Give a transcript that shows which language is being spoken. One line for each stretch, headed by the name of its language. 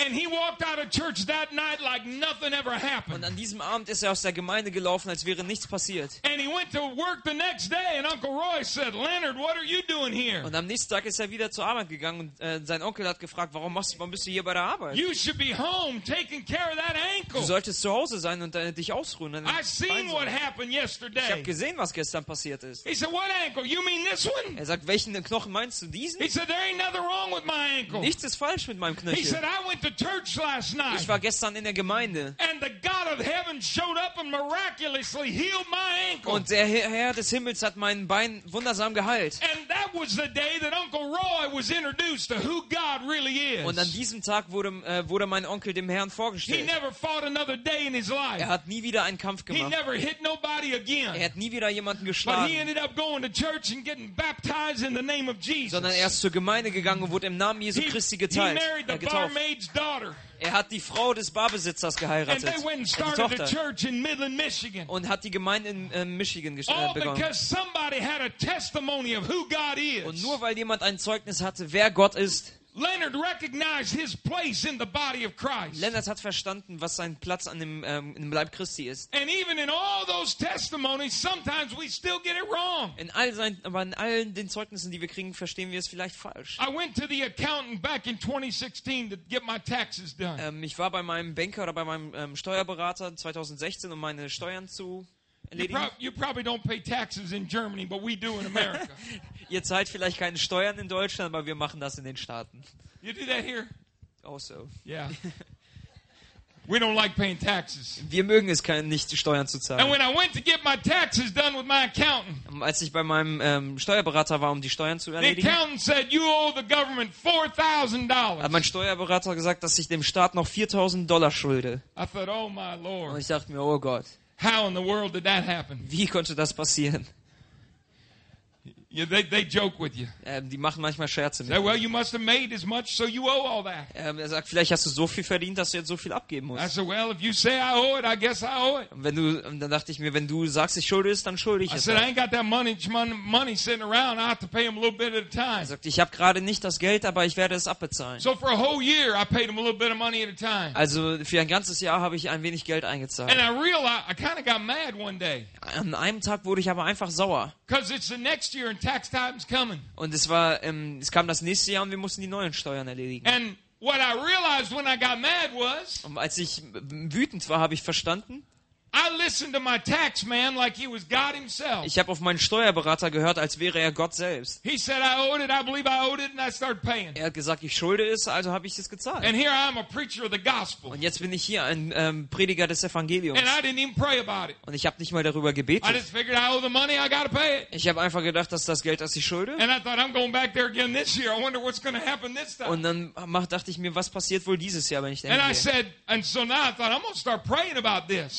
English: And he walked out of church that night like nothing ever happened.
German: Und an diesem Abend ist er aus der Gemeinde gelaufen, als wäre nichts passiert.
English: And he went to work the next day and Uncle Roy said, "Leonard, what are you doing here?"
German: Und am nächsten Tag ist er wieder zur Arbeit gegangen und sein Onkel hat gefragt, warum bist du hier bei der Arbeit?
English: You should be home taking care of that ankle.
German: Du solltest zu Hause sein und dich ausruhen. Dann
English: I've seen what happened yesterday.
German: Ich habe gesehen, was gestern passiert ist.
English: He said, "What ankle? You mean this one?"
German: Er sagt, welchen Knochen meinst du, diesen?
English: He said, "There ain't nothing wrong with my ankle."
German: Nichts ist falsch mit meinem Knöchel.
English: He said, "I went to church last night."
German: Ich war gestern in der Gemeinde.
English: And the God of heaven showed up and miraculously healed my ankle.
German: Und der Herr des Himmels hat mein Bein wundersam geheilt.
English: And that was the day that Uncle Roy was introduced to who God really is.
German: Und an diesem Tag wurde mein Onkel dem Herrn vorgestellt.
English: He never fought another day in his life.
German: Er hat nie wieder einen Kampf gemacht.
English: Never hit nobody again.
German: Er hat nie wieder jemanden geschlagen.
English: But he ended up going to church and getting baptized in the name of Jesus.
German: Sondern er ist zur Gemeinde gegangen und wurde im Namen Jesu Christi geteilt.
English: He married the barmaid's daughter.
German: Er hat die Frau des Barbesitzers geheiratet.
English: And they went and started the church in Midland, Michigan.
German: Und hat die Gemeinde in Michigan begonnen.
English: All because somebody had a testimony of who God is.
German: Und nur weil jemand ein Zeugnis hatte, wer Gott ist.
English: Leonard recognized his place in the body of Christ.
German: Leonard hat verstanden, was sein Platz an dem im Leib Christi ist.
English: And even in all those testimonies, sometimes we still get it wrong.
German: In all den Zeugnissen, die wir kriegen, verstehen wir es vielleicht falsch.
English: I went to the accountant back in 2016 to get my taxes done.
German: Ich war bei meinem Banker oder bei meinem Steuerberater 2016, um meine Steuern zu erledigen.
English: You probably don't pay taxes in Germany, but we do in America.
German: Ihr zahlt vielleicht keine Steuern in Deutschland, aber wir machen das in den Staaten.
English: You do that here?
German: Also.
English: Yeah. We don't like paying taxes.
German: Wir mögen es nicht, Steuern zu zahlen.
English: And when I went to get my taxes done with my accountant,
German: als ich bei meinem Steuerberater war, um die Steuern zu erledigen,
English: the accountant said, "You owe the government $4,000."
German: Hat mein Steuerberater gesagt, dass ich dem Staat noch $4,000 schulde.
English: I thought, "Oh my Lord."
German: Und ich dachte mir, oh Gott.
English: How in the world did that happen?
German: Wie konnte das passieren?
English: Yeah, they joke with you.
German: Die machen manchmal Scherze mit mir.
English: Well, you must have made as much, so you owe all that.
German: Er sagt, vielleicht hast du so viel verdient, dass du jetzt so viel abgeben musst.
English: I said, well, if you say I owe it, I guess I owe it.
German: Dann dachte ich mir, wenn du sagst, ich schulde es, dann schulde ich es.
English: I said, I ain't got that money sitting around. I have to pay him a little bit at a time.
German: Er sagt, ich habe gerade nicht das Geld, aber ich werde es abbezahlen.
English: So for a whole year, I paid him a little bit of money at a time.
German: Also für ein ganzes Jahr habe ich ein wenig Geld eingezahlt.
English: And I kind of got mad one day.
German: An einem Tag wurde ich aber einfach sauer.
English: Because it's the next year. Tax time's coming.
German: Und es kam das nächste Jahr und wir mussten die neuen Steuern erledigen.
English: And what I realized when I got mad was,
German: und als ich wütend war, habe ich verstanden,
English: I listened to my tax man like he was God himself.
German: Ich habe auf meinen Steuerberater gehört, als wäre er Gott selbst.
English: He said, I owed it, I believe I owed it, and I started paying.
German: Er hat gesagt, ich schulde es, also habe ich es gezahlt.
English: And here I am, a preacher of the gospel.
German: Und jetzt bin ich hier, ein Prediger des Evangeliums.
English: And I didn't even pray about it.
German: Und ich habe nicht mal darüber gebetet.
English: I just figured, I owe the money, I gotta pay it.
German: Ich habe einfach gedacht, das ist das Geld, das ich schulde.
English: And I thought, I'm going back there again this year. I wonder what's going to happen this time.
German: Und dann dachte ich mir, was passiert wohl dieses Jahr, wenn ich dahin gehe.
English: And I said, and so now I thought, I'm going to start praying about this.